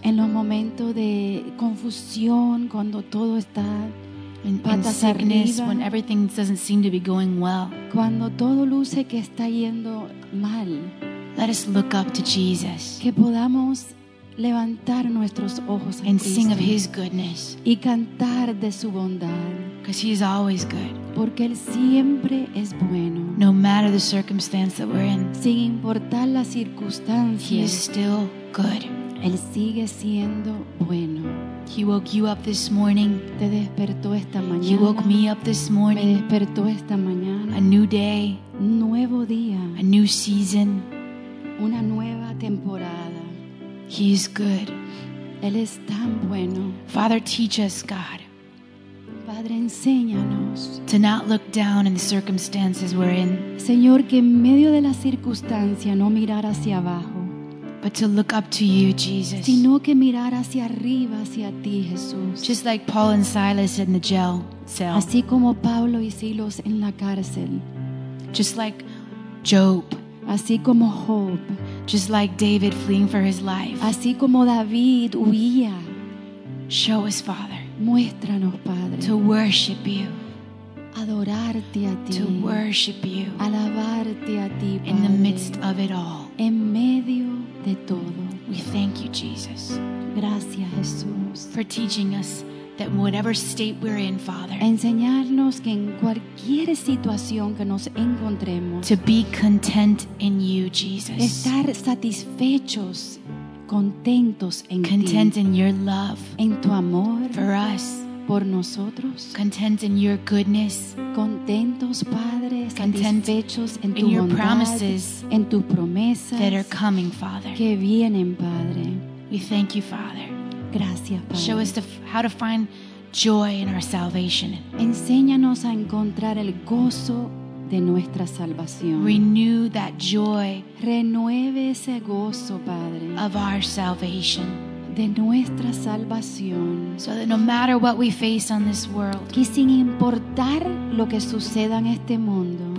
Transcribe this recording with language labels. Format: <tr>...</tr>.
<es>En los momentos de confusión, cuando todo está patas arriba.</es> <en>When everything doesn't seem to be going well.</en> <es>Cuando todo luce que está yendo mal.</es> <en>Let us look up to Jesus.</en> <es>Que podamos levantar nuestros ojos</es> <en>and sing of His goodness.</en> <es>Y cantar de su bondad.</es> <en>Because He is always good.</en> <es>Porque Él siempre es bueno.</es> <en>No matter the circumstance that we're in.</en> <es>Sin importar la circunstancia.</es> <en>He is still good.</en> <es>Él sigue siendo bueno.</es> <en>He woke you up this morning.</en> <es>Te despertó esta mañana.</es> <en>He woke me up this morning.</en> <es>Me despertó esta mañana.</es> <en>A new day.</en> <es>Nuevo día.</es> <en>A new season.</en> <es>Una nueva temporada.</es> <en>He is good.</en> <es>Él es tan bueno.</es> <en>Father, teach us, God.</en> <es>Padre, enséñanos.</es> <en>To not look down in the circumstances we're in.</en> <es>Señor, que en medio de la circunstancia no mirar hacia abajo.</es> <en>But to look up to you, Jesus.</en> <es>Sino que mirar hacia arriba, hacia ti, Jesús.</es> <en>Just like Paul and Silas in the jail cell.</en> <es>Así como Pablo y Silas en la cárcel.</es> <en>Just like Job.</en> <es>Así como Job.</es> <en>Just like David fleeing for his life.</en> <es>Así como David huía.</es> <en>Show us, Father.</en> <es>Muéstranos, Padre.</es> <en>To worship you.</en> <es>Adorarte a ti.</es> <en>To worship you.</en> <es>Alabarte a ti, Padre.</es> <en>In the midst of it all.</en> <es>En medio de todo.</es> <en>We thank you, Jesus.</en> <es>Gracias, Jesús.</es> <en>For teaching us that whatever state we're in, Father.</en> <es>Enseñarnos que en cualquier situación que nos encontremos.</es> <en>To be content in you, Jesus.</en> <es>Estar satisfechos, contentos en ti.</es> <en>Content in your love.</en> <es>En tu amor.</es> <en>For us.</en> <es>Por nosotros.</es> <en>Content in your goodness.</en> <es>Contentos, Padre, satisfechos en tu bondad.</es> <en>In your promises.</en> <es>En tus promesas.</es> <en>That are coming, Father.</en> <es>Que vienen, Padre.</es> <en>We thank you, Father.</en> <es>Gracias, Padre.</es> <en>Show us how to find joy in our salvation.</en> <es>Enséñanos a encontrar el gozo de nuestra salvación.</es> <en>Renew that joy.</en> <es>Renueve ese gozo, Padre.</es> <en>Of our salvation.</en> <es>De nuestra salvación.</es> <en>So that no matter what we face on this world.</en> <es>Que sin importar lo que suceda en este mundo.</es>